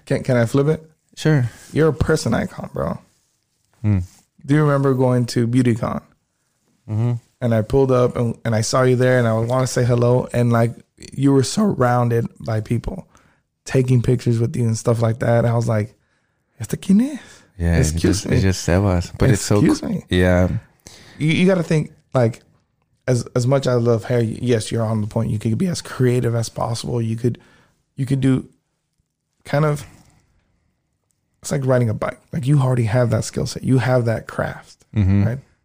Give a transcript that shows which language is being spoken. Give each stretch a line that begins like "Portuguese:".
English: Can I flip it? Sure. You're a person icon, bro. Mm. Do you remember going to BeautyCon? Mm-hmm. And I pulled up and I saw you there and I would want to say hello. And like, you were surrounded by people taking pictures with you and stuff like that. And I was like,
Spanish: ¿Este quién es?
English: Yeah, excuse me. It's just Sebas. But excuse it's so cool. Yeah. You got to think, like, as much as I love hair, yes, you're on the point. You could be as creative as possible. You could do kind of, it's like riding a bike. Like, you already have that skill set, you have that craft, mm-hmm. right?